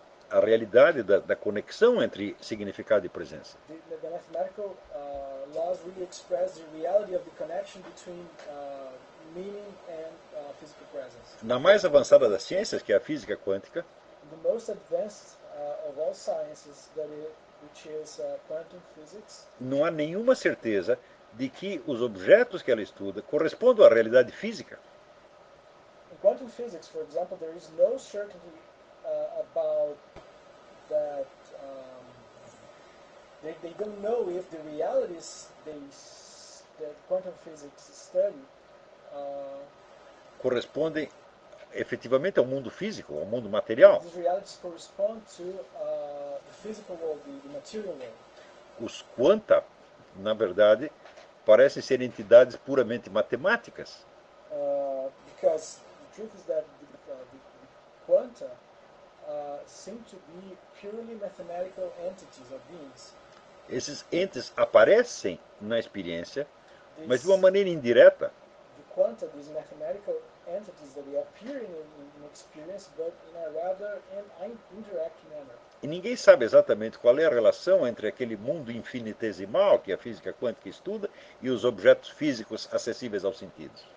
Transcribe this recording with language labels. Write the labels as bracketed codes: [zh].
[pt] a realidade da conexão entre significado e presença. [en] The mathematical laws really express the reality of the connection between meaning and physical presence. [pt] Na mais avançada das ciências, que é a física quântica, [en] the most advanced of all sciences, which is quantum physics, [pt] não há nenhuma certeza de que os objetos que ela estuda correspondam à realidade física. [en] In quantum physics, for example, there is no certainty about that they don't know if the realities that quantum physics study [pt] correspondem efetivamente ao mundo físico, ao mundo material. [en] These realities correspond to the physical world, the material world. [pt] Os quanta, na verdade, parecem ser entidades puramente matemáticas. [en] Because the truth is that the quanta seem to be purely mathematical entities or beings. [pt] Esses entes aparecem na experiência, mas de uma maneira indireta. [en] The quanta, these mathematical entities that they appear in experience, but in a rather indirect manner. [pt] E ninguém sabe exatamente qual é a relação entre aquele mundo infinitesimal que a física quântica estuda e os objetos físicos acessíveis aos sentidos.